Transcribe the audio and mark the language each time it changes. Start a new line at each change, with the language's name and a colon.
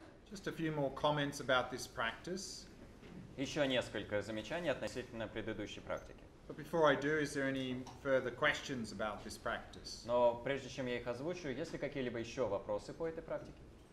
English: Just a few more comments about this practice.
Russian: Еще несколько замечаний относительно предыдущей практики.
English: But before I do, is there any further questions about this practice?
Russian: Но прежде чем я их озвучу, есть ли какие-либо еще вопросы по этой практике?